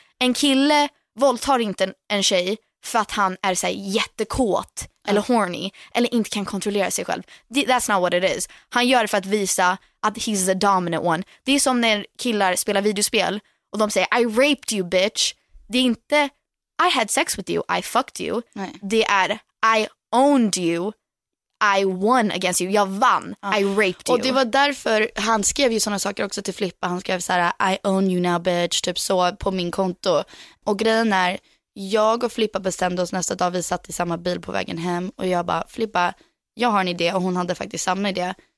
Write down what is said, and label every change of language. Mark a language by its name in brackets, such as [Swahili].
[Swedish] En kille våldtar inte en tjej för att han är så här jättekåt eller horny eller inte kan kontrollera sig själv. [English] That's not what it is. [Swedish] Han gör det för att visa att [English] he's the dominant one. [Swedish] Det är som när killar spelar videospel och de säger [English] I raped you bitch. [Swedish] Det är inte [English] I had sex with you, I fucked you. [Swedish] Nej. Det är [English] I owned you, I won against you. [Swedish] Jag vann. Ja. [English] I raped you. [Swedish] Och det var därför han skrev ju såna saker också till Flippa. Han skrev så här [English] I own you now bitch [Swedish] typ så på min konto. Och grejen är jag och Flippa bestämde oss nästa dag, vi satt i samma bil på vägen hem och jag bara Flippa, jag har en idé och hon hade faktiskt samma idé.